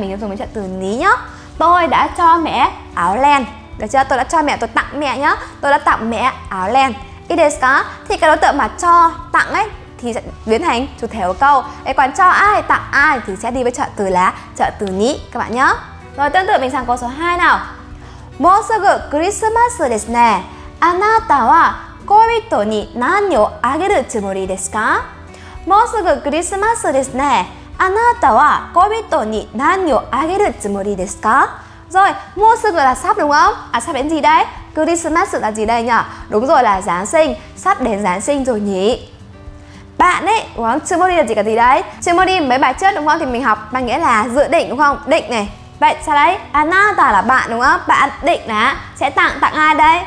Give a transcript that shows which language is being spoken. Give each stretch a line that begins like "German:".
Vietnamese: Mình dùng cái trợ từ ní nhá. Tôi đã cho mẹ áo len. Được chưa? Tôi đã cho mẹ, tôi tặng mẹ nhá. Tôi đã tặng mẹ áo len.
Japanese: Itですか?
Vietnamese: Thì cái đối tượng mà cho, tặng ấy thì sẽ biến thành chủ thể của câu. Ấy còn cho ai, tặng ai thì sẽ đi với trợ từ là trợ từ ní các bạn nhá. Rồi tương tự mình sang câu số 2 nào.
Japanese: もうすぐクリスマスですね。あなたは恋人に何をあげるつもりですか？もうすぐクリスマスですね。あなたは恋人に何をあげるつもりですか？
Vietnamese: Rồi, もうすぐ là sắp đúng không? À sắp đến gì đây? クリスマス là gì đây nhỉ? Đúng rồi là Giáng sinh, sắp đến Giáng sinh rồi nhỉ? Bạn ấy, đúng không? Chimori là gì cả gì đấy? Chimori mấy bài trước đúng không? Thì mình học mang nghĩa là dự định đúng không? Định này. Vậy sao đấy? Anata là bạn đúng không? Bạn định là sẽ tặng tặng ai đây?